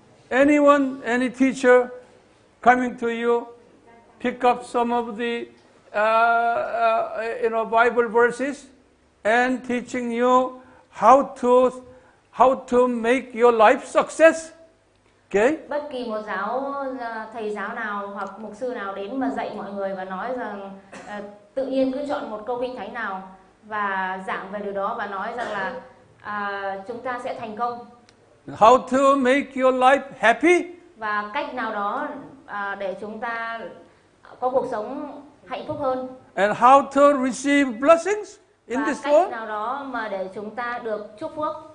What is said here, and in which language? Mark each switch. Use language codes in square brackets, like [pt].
[en] Anyone, any teacher coming to you, pick up some of the Bible verses and teaching you how to make your life success. Okay? [vi] Bất kỳ một giáo thầy giáo nào hoặc mục sư nào đến mà dạy mọi người và nói rằng tự nhiên cứ chọn một câu kinh thánh nào và giảng về điều đó và nói rằng là chúng ta sẽ thành công. [en] How to make your life happy? [vi] Và cách nào đó để chúng ta có cuộc sống hạnh phúc hơn. [en] And how to receive blessings in this world? [vi] Và cách nào đó mà để chúng ta được chúc phúc.